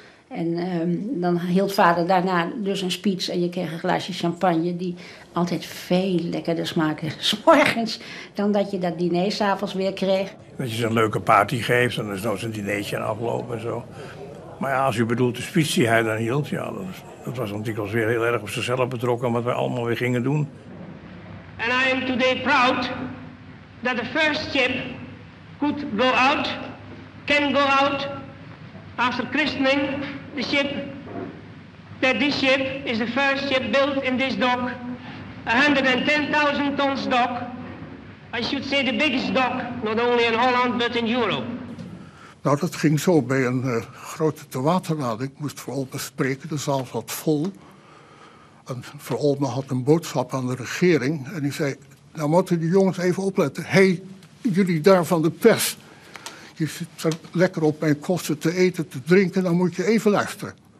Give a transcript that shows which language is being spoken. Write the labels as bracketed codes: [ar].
[nl] En dan hield vader daarna dus een speech en je kreeg een glaasje champagne die altijd veel lekkerder smaakte 's morgens dan dat je dat diner 's avonds weer kreeg. Dat je ze een leuke party geeft en dan is nooit een dinertje aan aflopen en zo. Maar ja, als u bedoelt de speech die hij dan hield, ja, dat was natuurlijk weer heel erg op zichzelf betrokken wat wij allemaal weer gingen doen. [en] And I am today proud that the first ship could go out, can go out. After christening the ship, that this ship is the first ship built in this dock, 110,000 tons dock. I should say the biggest dock, not only in Holland, but in Europe. [nl] Nou, dat ging zo bij een grote tewaterlading. Ik moest Verolme spreken, de zaal zat vol. En Verolme had een boodschap aan de regering en die zei, nou moeten die jongens even opletten. Hé, jullie daar van de pers. Je zit er lekker op mijn kosten te eten, te drinken, dan moet je even luisteren.